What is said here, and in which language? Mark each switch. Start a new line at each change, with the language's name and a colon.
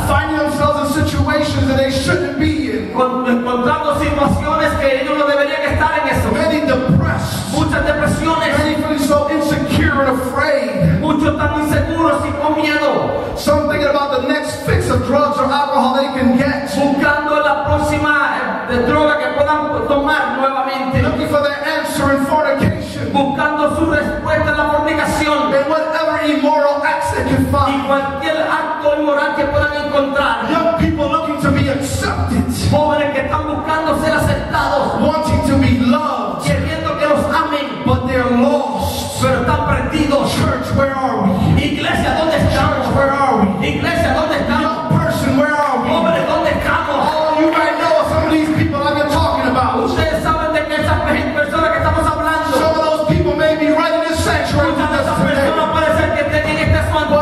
English: Finding themselves in situations that they shouldn't be in,
Spanish: encontrando situaciones que ellos no deberían estar en eso.
English: Many depressed,
Spanish: muchas depresiones.
English: Many feeling so insecure and afraid,
Spanish: muchos están inseguros y con miedo.
English: Some thinking about the next fix of drugs or alcohol they can get,
Spanish: buscando la próxima de droga que puedan tomar nuevamente.
English: Looking for their answer in fornication,
Spanish: buscando su respuesta en la fornicación.
English: And whatever immoral acts they can find,
Spanish: y cualquier acto inmoral que puedan encontrar.
English: Young people looking to be accepted,
Spanish: jóvenes que están buscando ser aceptados.
English: Wanting to be loved,
Spanish: queriendo que los amen.
English: But they are lost,
Spanish: pero están perdidos.
English: Church, where are we?
Spanish: Iglesia, ¿dónde estamos?
English: Church, where are we?
Spanish: Iglesia, ¿dónde estamos?
English: Young person, where are we?
Spanish: Hombre, ¿dónde estamos?
English: Oh, you might know some of these people I've been talking about.
Spanish: Ustedes saben de que esas personas que estamos hablando.
English: Some of those people may be right in this sanctuary.
Spanish: Muchas de esas personas pueden ser que estén en este santuario.